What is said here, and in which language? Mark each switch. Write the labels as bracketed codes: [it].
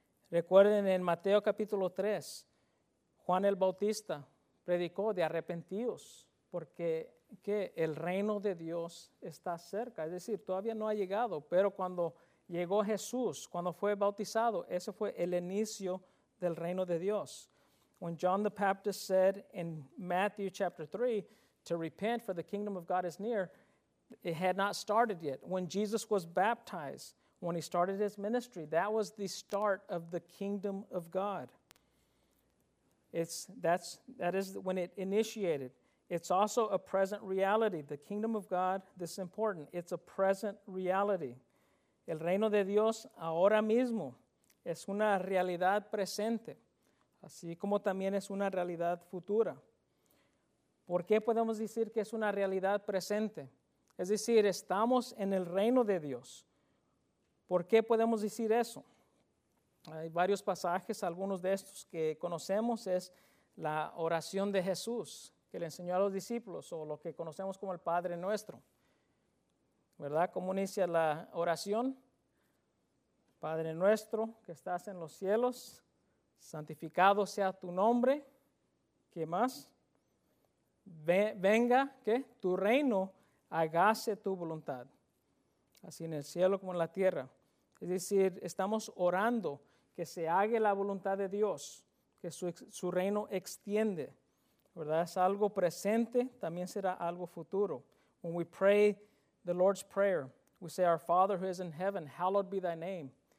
[es] Recuerden en Mateo capítulo 3, Juan el Bautista predicó de arrepentíos porque que el reino de Dios está cerca, es decir, todavía no ha llegado, pero cuando llegó Jesús, cuando fue bautizado, ese fue el inicio del reino de Dios. [en] When John the Baptist said in Matthew chapter 3 to repent for the kingdom of God is near, it had not started yet. When Jesus was baptized, when he started his ministry, that was the start of the kingdom of God. That is when it initiated. It's also a present reality. The kingdom of God, this is important, it's a present reality. [es] El reino de Dios ahora mismo es una realidad presente, así como también es una realidad futura. ¿Por qué podemos decir que es una realidad presente? Es decir, estamos en el reino de Dios. ¿Por qué podemos decir eso? Hay varios pasajes, algunos de estos que conocemos es la oración de Jesús, que le enseñó a los discípulos, o lo que conocemos como el Padre Nuestro. ¿Verdad? ¿Cómo inicia la oración? Padre nuestro que estás en los cielos, santificado sea tu nombre. ¿Qué más? Venga, ¿qué? Tu reino, hágase tu voluntad. Así en el cielo como en la tierra. Es decir, estamos orando que se haga la voluntad de Dios, que su reino extiende. ¿Verdad? Es algo presente, también será algo futuro. [en] When we pray the Lord's Prayer, we say, Our Father who is in heaven, hallowed be thy name.